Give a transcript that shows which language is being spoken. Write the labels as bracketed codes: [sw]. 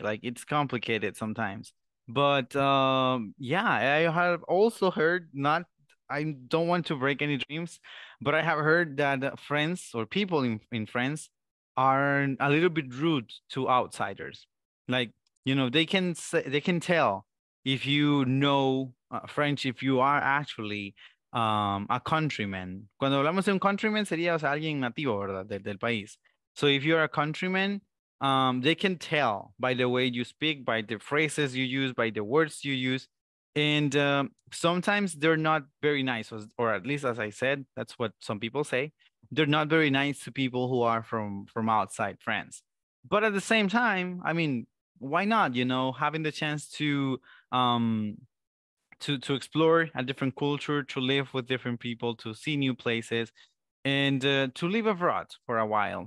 [en] Like it's complicated sometimes. But yeah, I have also heard, not, I don't want to break any dreams, but I have heard that friends or people in France are a little bit rude to outsiders. Like, you know, they can tell. If you know French, if you are actually a countryman. [es] Cuando hablamos de un countryman sería, o sea, alguien nativo, ¿verdad? Del país. [en] So if you're a countryman, They can tell by the way you speak, by the phrases you use, by the words you use. And sometimes they're not very nice, or at least, as I said, that's what some people say. They're not very nice to people who are from outside France. But at the same time, I mean, why not? You know, having the chance to explore a different culture, to live with different people, to see new places, and to live abroad for a while.